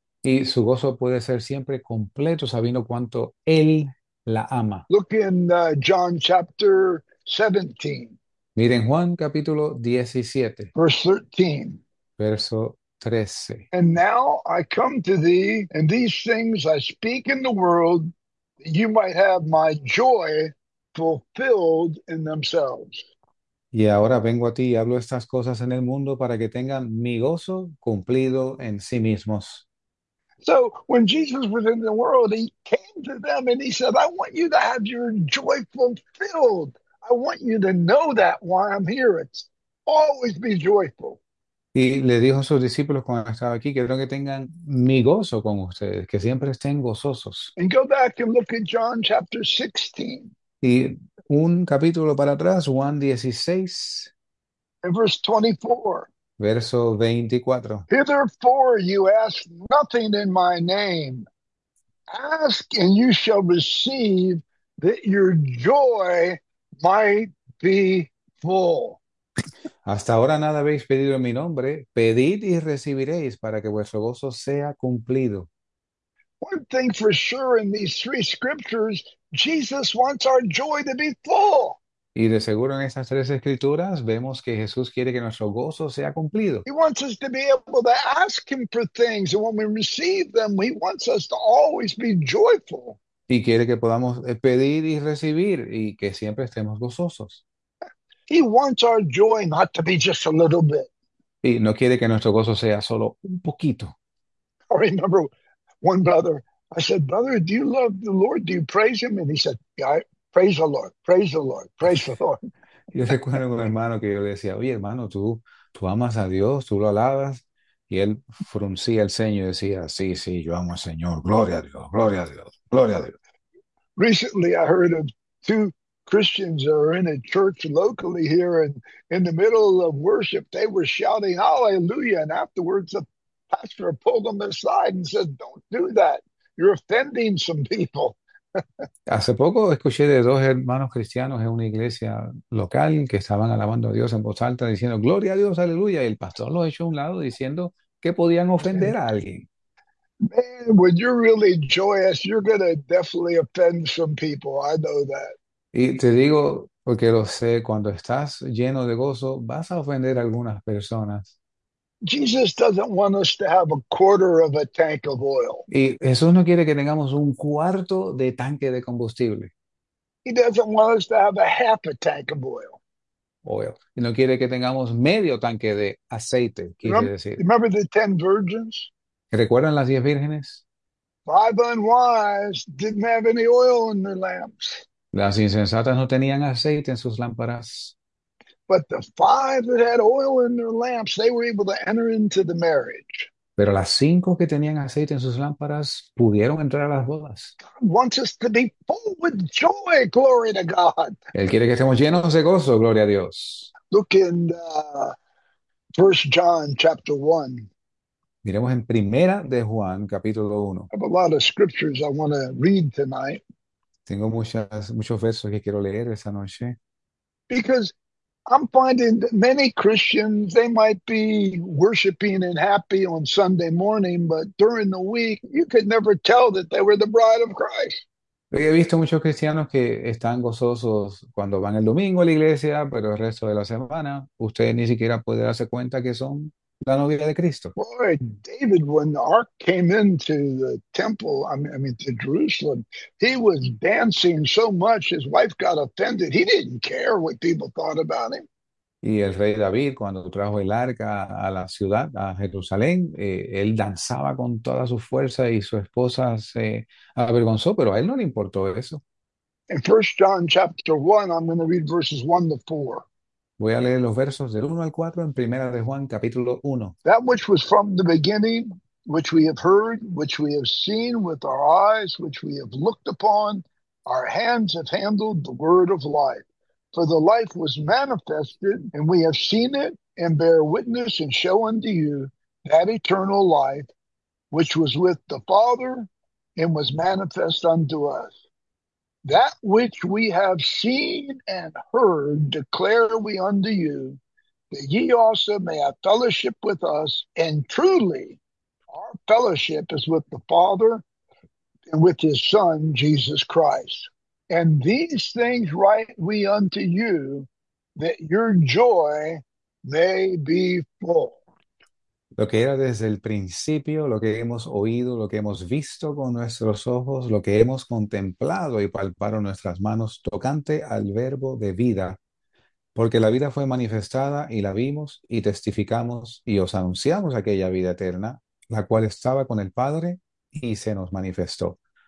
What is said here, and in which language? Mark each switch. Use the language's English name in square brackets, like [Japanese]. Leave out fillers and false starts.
[Spanish] Y su gozo puede ser siempre completo sabiendo cuánto él la ama. [English] Look in John chapter 17, [Spanish] Miren Juan capítulo 17. [English] verse 13. [Spanish] Verso 13. [English] And now I come to thee, and these things I speak in the world, that you might have my joy fulfilled in themselves. [Spanish] Y ahora vengo a ti y hablo estas cosas en el mundo para que tengan mi gozo cumplido en sí mismos. [English] So when Jesus was in the world, he came to them and he said, I want you to have your joy fulfilled. I want you to know that while I'm here, it's always be joyful. [Spanish] Y le dijo a sus discípulos cuando estaba aquí, quiero que tengan mi gozo con ustedes, que siempre estén gozosos. [English] And go back and look at John chapter 16. [Spanish] Y un capítulo para atrás, Juan 16, [English] And verse 24. [Spanish] verso 24. [English] Hitherto you ask nothing in my name. Ask and you shall receive, that your joy might be full. [Spanish] Hasta ahora nada habéis pedido en mi nombre, pedid y recibiréis para que vuestro gozo sea cumplido. [English] One thing for sure in these three scriptures, Jesus wants our joy to be full. [Spanish] Y de seguro en estas tres escrituras vemos que Jesús quiere que nuestro gozo sea cumplido. [English] He wants us to be able to ask him for things, and when we receive them, he wants us to always be joyful. [Spanish] Y quiere que podamos pedir y recibir y que siempre estemos gozosos. [English] He wants our joy not to be just a little bit. [Spanish] Y no quiere que nuestro gozo sea solo un poquito. [English] I remember one brother, I said, Brother, do you love the Lord? Do you praise him? And he said, Yeah, praise the Lord, praise the Lord, praise the Lord. [Spanish] Yo recuerdo a un hermano que yo le decía, oye, hermano, tú amas a Dios, tú lo alabas. Y él fruncía el ceño y decía, sí, yo amo al Señor, gloria a Dios, gloria a Dios, gloria a Dios. [English] Recently, I heard of two Christians that are in a church locally here, and in the middle of worship, they were shouting hallelujah. And afterwards, the pastor pulled them aside and said, Don't do that. You're offending some people. [Spanish] Hace poco escuché de dos hermanos cristianos en una iglesia local que estaban alabando a Dios en voz alta, diciendo, Gloria a Dios, aleluya. Y el pastor los echó a un lado diciendo que podían ofender a alguien. [English] Man, when you're really joyous, you're gonna definitely offend some people. I know that. [Spanish] Y te digo, porque lo sé, cuando estás lleno de gozo, vas a ofender a algunas personas. [English] Jesus doesn't want us to have a quarter of a tank of oil. [Spanish] Y Jesús no quiere que tengamos un cuarto de tanque de combustible. [English] He doesn't want us to have a half a tank of oil. [Spanish] Oil. Y no quiere que tengamos medio tanque de aceite, quise [English] Remember [Spanish] decir. [English] the 10 virgins? [Spanish] ¿Recuerdan las 10 vírgenes? [English] Five unwise didn't have any oil in their lamps. [Spanish] Las insensatas no tenían aceite en sus lámparas. [English] But the five that had oil in their lamps, they were able to enter into the marriage. [Spanish] Pero las cinco que tenían aceite en sus lámparas pudieron entrar a las bodas. [English] God wants us to be full with joy, glory to God. [Spanish] Él quiere que estemos llenos de gozo, gloria a Dios. [English] Look in First John chapter 1. [Spanish] Miremos en Primera de Juan, capítulo 1. [English] I have a lot of scriptures I want to read tonight. [Spanish] Tengo muchos versos que quiero leer esa noche. [English] Because I'm finding that many Christians, they might be worshiping and happy on Sunday morning, but during the week, you could never tell that they were the bride of Christ. [Spanish] He visto muchos cristianos que están gozosos cuando van el domingo a la iglesia, pero el resto de la semana usted ni siquiera puede darse cuenta que son la novia de Cristo. [English] Boy, David, when the ark came into the temple, I mean to Jerusalem, he was dancing so much his wife got offended. He didn't care what people thought about him. [Spanish] Y el rey David, cuando trajo el arca a la ciudad, a Jerusalén, él danzaba con toda su fuerza y su esposa se avergonzó, pero a él no le importó eso. [English] In 1 John chapter 1, I'm going to read verses 1 to 4. [Spanish] Voy a leer los versos del 1 al 4 en Primera de Juan, capítulo 1. [English] That which was from the beginning, which we have heard, which we have seen with our eyes, which we have looked upon, our hands have handled the word of life. For the life was manifested, and we have seen it, and bear witness, and show unto you that eternal life, which was with the Father, and was manifest unto us. That which we have seen and heard, declare we unto you, that ye also may have fellowship with us, and truly our fellowship is with the Father and with his Son, Jesus Christ. And these things write we unto you, that your joy may be full. [Spanish] Lo que era desde el principio, lo que hemos oído, lo que hemos visto con nuestros ojos, lo que hemos contemplado y palparon nuestras manos tocante al verbo de vida. Porque la vida fue manifestada y la vimos y testificamos y os anunciamos aquella vida eterna, la cual estaba con el Padre y se nos manifestó.